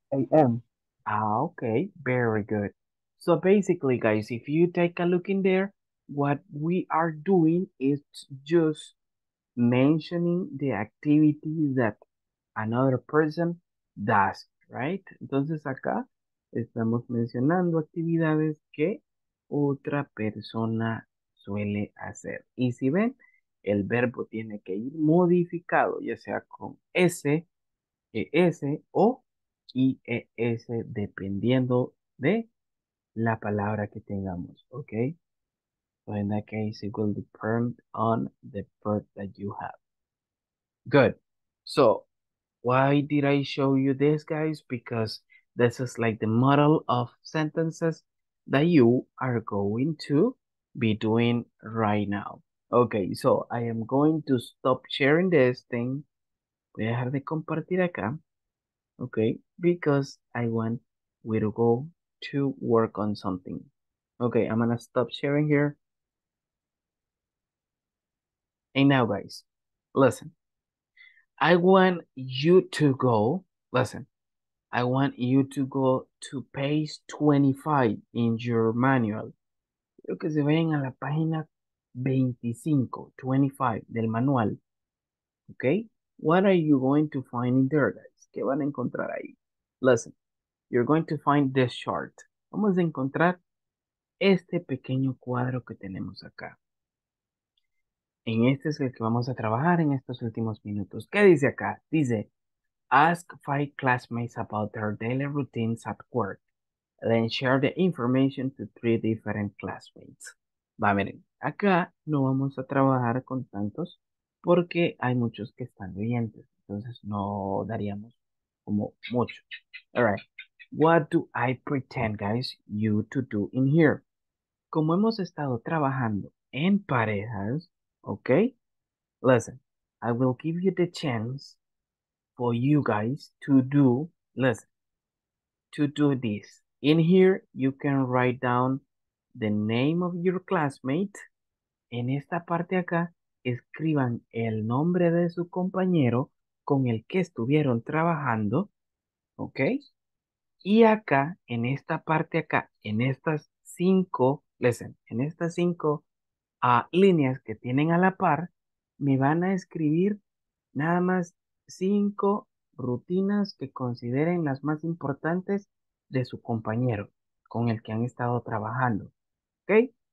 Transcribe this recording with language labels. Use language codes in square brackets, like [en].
[en] a.m. Okay, very good. So basically, guys, if you take a look in there, what we are doing is just mentioning the activity that another person does, right? [es] Entonces acá estamos mencionando actividades que otra persona suele hacer. Y si ven, el verbo tiene que ir modificado, ya sea con S, ES o IES, dependiendo de la palabra que tengamos, ¿ok? [en] So in that case, it will depend on the verb that you have. Good. So, why did I show you this, guys? Because this is like the model of sentences that you are going to be doing right now. Okay, so I am going to stop sharing this thing. [es] Voy a dejar de compartir acá. [en] Okay, because I want we to go to work on something. Okay, I'm gonna stop sharing here. And now, guys, listen. I want you to go, listen, I want you to go to page 25 in your manual. [es] Quiero que se vayan a la página 25, 25 del manual. [en] Okay? What are you going to find in there, guys? [es] ¿Qué van a encontrar ahí? [en] Listen, you're going to find this chart. [es] Vamos a encontrar este pequeño cuadro que tenemos acá. En este es el que vamos a trabajar en estos últimos minutos. ¿Qué dice acá? [en] Dice, ask 5 classmates about their daily routines at work. Then share the information to 3 different classmates. [es] Va, miren, acá no vamos a trabajar con tantos porque hay muchos que están leyentes. Entonces no daríamos como mucho. [en] All right. What do I pretend, guys, you to do in here? [es] Como hemos estado trabajando en parejas, [en] okay, listen, I will give you the chance for you guys to do, listen, to do this. In here, you can write down the name of your classmate. [es] En esta parte acá, escriban el nombre de su compañero con el que estuvieron trabajando, okay? Y acá, en esta parte acá, en estas cinco, listen, en estas cinco líneas que tienen a la par, me van a escribir nada más 5 rutinas que consideren las más importantes de su compañero con el que han estado trabajando, ¿ok?